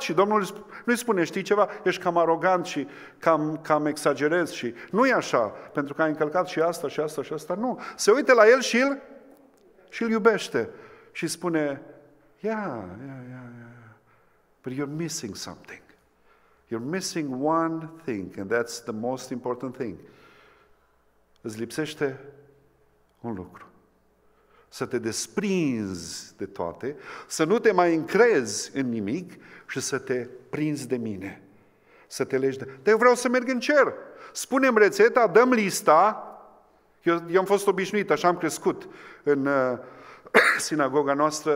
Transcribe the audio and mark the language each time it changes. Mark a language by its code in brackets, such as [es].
[ro] Și Domnul nu-i spune, știi ceva, ești cam arogant și cam exagerez. Și nu e așa, pentru că ai încălcat și asta și asta și asta. Nu, se uită la el și îl iubește și spune, [en] yeah, but you're missing something. You're missing one thing, and that's the most important thing. [ro] Îți lipsește un lucru. Să te desprinzi de toate, să nu te mai încrezi în nimic și să te prinzi de mine. Să te legi de... Dar eu vreau să merg în cer. Spunem rețeta, dăm lista. Eu am fost obișnuit, așa am crescut în sinagoga noastră.